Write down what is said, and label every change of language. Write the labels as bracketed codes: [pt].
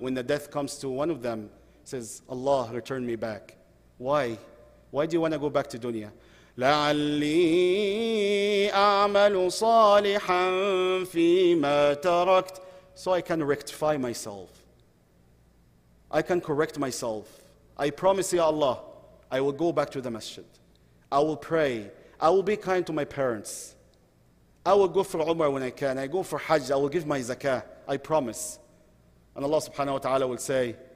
[en] When the death comes to one of them, says, Allah, return me back. Why? Why do you want to go back to dunya? [ar] لعلي أعمل صالحا فيما تركت. [en] So I can rectify myself. I can correct myself. I promise you, Allah, I will go back to the masjid. I will pray. I will be kind to my parents. I will go for Umrah when I can. I go for Hajj. I will give my zakah. I promise. And Allah subhanahu wa ta'ala will say,